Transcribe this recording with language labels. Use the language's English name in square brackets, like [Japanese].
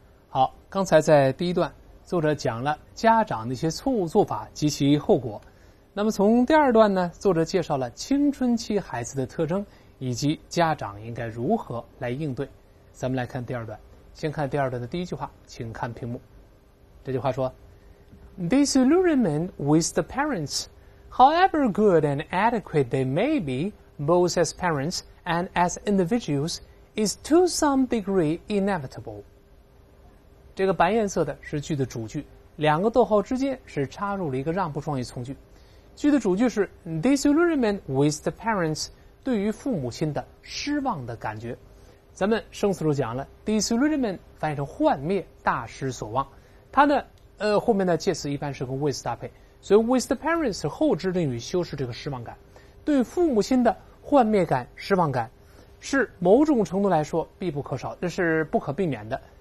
[Chinese] 好，刚才在第一段，作者讲了家长那些错误做法及其后果。那么从第二段呢，作者介绍了青春期孩子的特征以及家长应该如何来应对。咱们来看第二段，先看第二段的第一句话，请看屏幕。 [English] 这句话说 This allurement with the parents, however good and adequate they may be, both as parents and as individuals, is to some degree inevitable. [Chinese] 这个白颜色的是句的主句，两个逗号之间是插入了一个让步状语从句。句的主句是 [English] disillusionment with the parents， [Chinese] 对于父母亲的失望的感觉。咱们生词组讲了 disillusionment 翻译成幻灭、大失所望，它呢后面的介词一般是跟 with 搭配，所以 [English] with the parents [Chinese] 是后置定语修饰这个失望感，对父母亲的幻灭感、失望感是某种程度来说必不可少，这是不可避免的。